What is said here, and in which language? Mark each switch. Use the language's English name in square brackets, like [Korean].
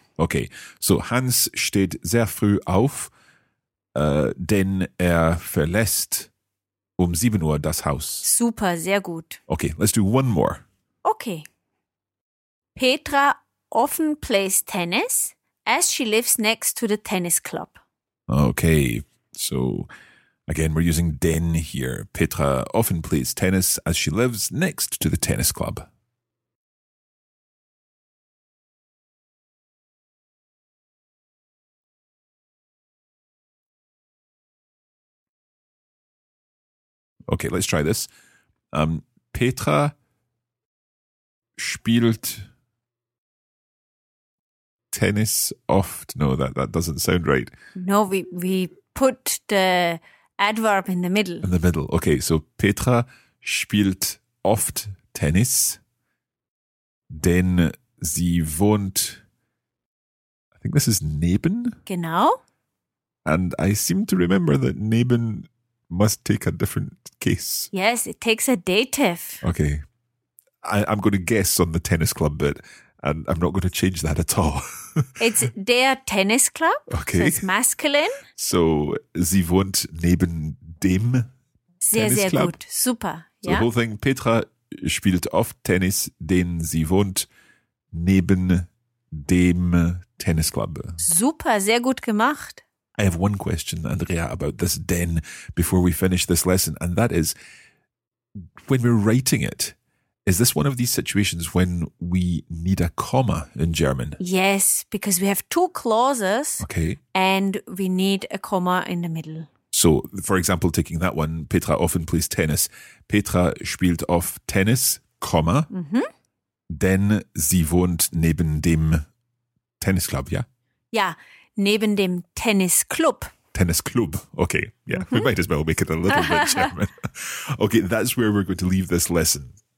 [English] Okay, so [German] Hans steht sehr früh auf, denn er verlässt 7 Uhr das Haus. Super, sehr gut. [English] Okay, let's do one more. Okay. Petra often plays tennis as she lives next to the tennis club. Okay, so again, we're using den here. Petra often plays tennis as she lives next to the tennis club. Okay, let's try this. [German] Petra spielt tennis oft. [English] No, that doesn't sound right. No, we put the adverb in the middle. In the middle. [German] Okay, so Petra spielt oft tennis, denn sie wohnt, [English] I think this is [German] neben? Genau. [English] And I seem to remember that neben must take a different case. Yes, it takes a dative. Okay. I'm going to guess on the tennis club bit, and I'm not going to change that at all. It's der Tennis Club. Okay. So it's masculine. [German] So, sie wohnt neben dem Tennis sehr, sehr Club. Gut. Super. [English] Yeah. So the whole thing, [German] Petra spielt oft Tennis, den sie wohnt neben dem Tennis Club. Super, sehr gut gemacht. [English] I have one question, Andrea, about this den before we finish this lesson. And that is, when we're writing it, is this one of these situations when we need a comma in German? Yes, because we have two clauses. Okay. And we need a comma in the middle. So, for example, taking that one, Petra often plays tennis. [German] Petra spielt oft Tennis, comma, [English] mm-hmm. [German] denn sie wohnt neben dem Tennisclub, ja? Ja, neben dem Tennisclub. [English] Tennisclub, okay. Yeah, mm-hmm. We might as well make it a little bit German. Okay, that's where we're going to leave this lesson.